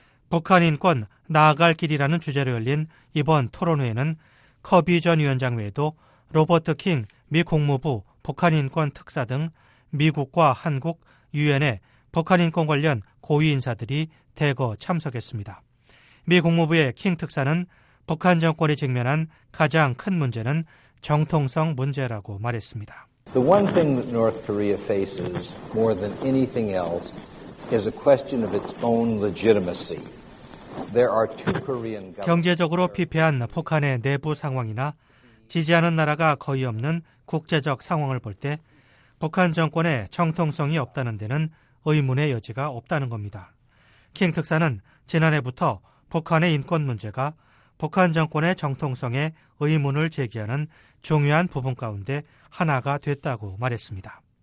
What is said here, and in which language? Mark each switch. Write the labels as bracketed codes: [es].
[ko] 북한인권 나아갈 길이라는 주제로 열린 이번 토론회에는 커비 전 위원장 외에도 로버트 킹 미 국무부 북한인권특사 등 미국과 한국, 유엔의 북한인권 관련 고위인사들이 대거 참석했습니다. 미 국무부의 킹 특사는 북한 정권이 직면한 가장 큰 문제는 정통성 문제라고 말했습니다. [en] The one thing that North Korea faces more than anything else is a question of its own legitimacy. There are two Korean governments. [ko] 경제적으로 피폐한 북한의 내부 상황이나 지지하는 나라가 거의 없는 국제적 상황을 볼 때 북한 정권의 정통성이 없다는 데는 의문의 여지가 없다는 겁니다. 킹 특사는 지난해부터 북한의 인권 문제가 북한 정권의 정통성에 의문을 제기하는 중요한 부분 가운데 하나가 됐다고 말했습니다.